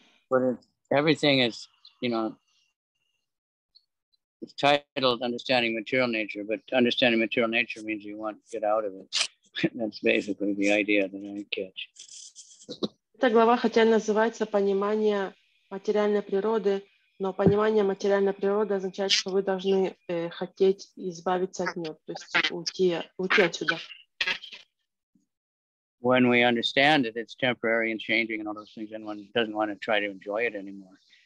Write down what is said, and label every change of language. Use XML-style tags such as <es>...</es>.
<en>But everything is, you know, it's titled Understanding Material Nature, but understanding material nature means you want to get out of it. That's basically the idea that I catch.</en> <ru>Эта глава хотя называется «Понимание материальной природы», но понимание материальной природы означает, что вы должны хотеть избавиться от нее, то есть уйти отсюда.</ru> <en>When we understand that it's temporary and changing and all those things, then one doesn't want to try to enjoy it anymore.</en>